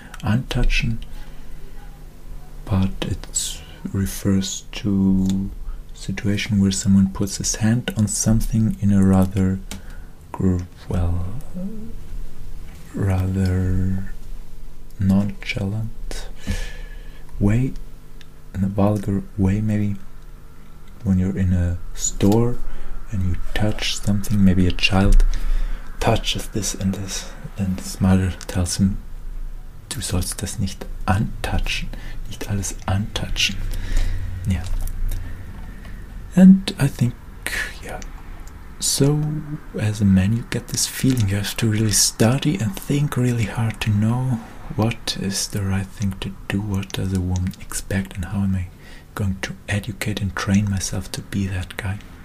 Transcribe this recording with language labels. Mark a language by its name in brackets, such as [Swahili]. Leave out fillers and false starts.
[English] Untouchen, but it refers to a situation where someone puts his hand on something in a rather rather nonchalant way, in a vulgar way maybe, when you're in a store and you touch something, maybe a child touches this and this, and his mother tells him [German] du sollst das nicht antatschen, nicht alles antatschen. [English] Yeah. And I think, yeah, so as a man you get this feeling, you have to really study and think really hard to know what is the right thing to do, what does a woman expect, and how am I going to educate and train myself to be that guy.